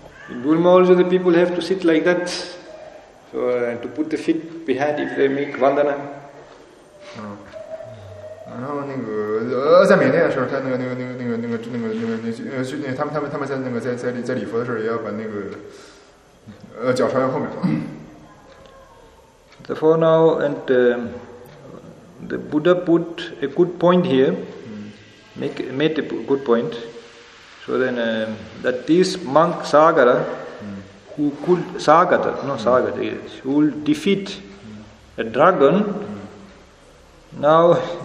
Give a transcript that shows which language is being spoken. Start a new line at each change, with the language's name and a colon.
English: In Burma also, the people have to sit like that. So, to put the feet behind if they make vandana.
Chinese: 然后那个在缅甸的时候，他们在礼佛的时候，也要把那个脚朝向后面。
English: Therefore now and the Buddha put a good point here, made a good point. So then that this monk Sagara, who will defeat a dragon, now.